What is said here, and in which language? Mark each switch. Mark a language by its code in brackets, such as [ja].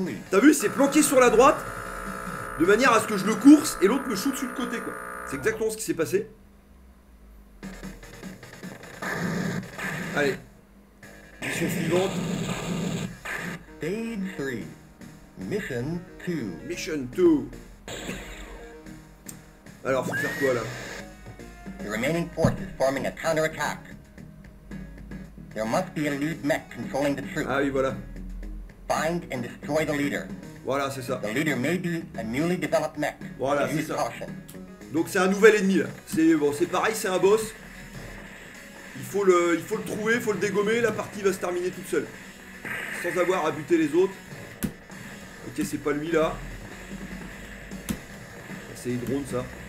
[fr] T'as vu, il s'est planqué sur la droite, de manière à ce que je le course, et l'autre me shoot sur le côté, quoi. C'est exactement ce qui s'est passé. Allez. Mission suivante. [en] Stage 3. Mission 2. Mission 2. [fr] Alors, faut faire quoi, là? [en] The remaining force is forming a counter-attack. There must be a lead mech controlling the troops. [fr] Ah oui, voilà. [en] Find and destroy the leader. [fr] Voilà, c'est ça. [en] The leader may be a newly developed mech. [fr] Voilà, c'est ça. Donc c'est un nouvel ennemi, là. C'est bon, c'est pareil, c'est un boss. Il faut le trouver, il faut le dégommer, la partie va se terminer toute seule. Sans avoir à buter les autres. Ok, c'est pas lui, là. C'est les drones, ça.